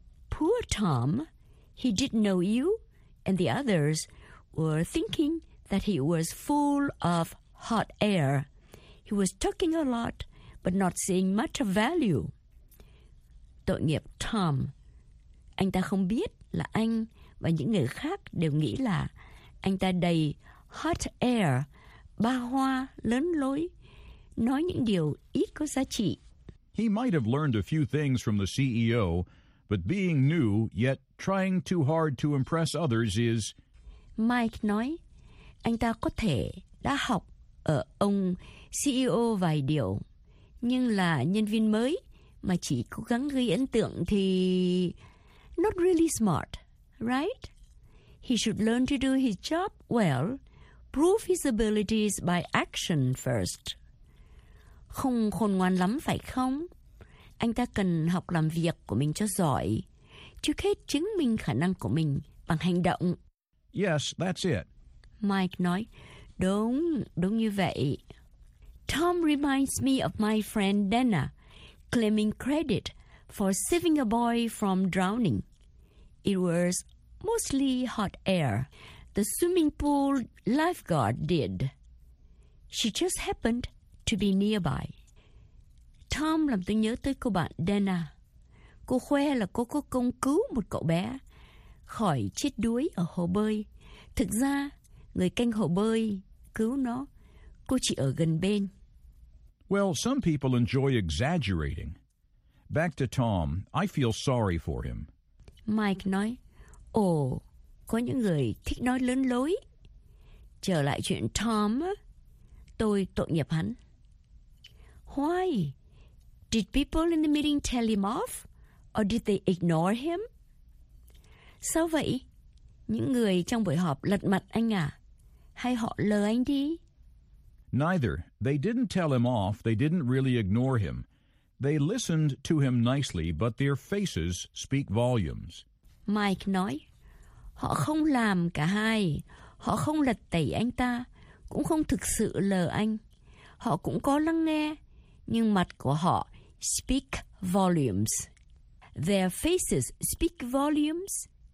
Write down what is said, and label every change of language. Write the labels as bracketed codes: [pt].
[en] Poor Tom, he didn't know you, and the others were thinking that he was full of hot air. He was talking a lot, but not seeing much of value. [vi] Tội nghiệp Tom. Anh ta không biết là anh và những người khác đều nghĩ là anh ta đầy hot air ba hoa, lớn lối, nói những điều ít có giá trị. [en] He might have learned a few things from the CEO, but being new yet trying too hard to impress others is... [vi] Mike nói, anh ta có thể đã học ở ông CEO vài điều, nhưng là nhân viên mới mà chỉ cố gắng gây ấn tượng thì... [en] Not really smart, right? He should learn to do his job well, prove his abilities by action first. [vi] Không khôn ngoan lắm phải không? Anh ta cần học làm việc của mình cho giỏi, trước hết chứng minh khả năng của mình bằng hành động. [en] Yes, that's it. [vi] Mike nói, đúng, đúng như vậy. [en] Tom reminds me of my friend Dana, claiming credit for saving a boy from drowning. It was mostly hot air. The swimming pool lifeguard did. She just happened to be nearby. [vi] Tom làm tôi nhớ tới cô bạn Dana. Cô khoe là cô có công cứu một cậu bé khỏi chết đuối ở hồ bơi. Thực ra, người canh hồ bơi cứu nó, cô chỉ ở gần bên. [en] Well, some people enjoy exaggerating. Back to Tom, I feel sorry for him. [vi] Mike nói, ồ, có những người thích nói lớn lối. Trở lại chuyện Tom, tôi tội nghiệp hắn. [en] Why? Did people in the meeting tell him off? Or did they ignore him? [vi] Sao vậy? Những người trong buổi họp lật mặt anh à? Hay họ lờ anh đi? [en] Neither. They didn't tell him off. They didn't really ignore him. They listened to him nicely, but their faces speak volumes. [vi] Mike nói, họ không làm cả hai. Họ không lật tẩy anh ta, cũng không thực sự lờ anh. Họ cũng có lắng nghe, nhưng mặt của họ [en] speak volumes. Their faces speak volumes.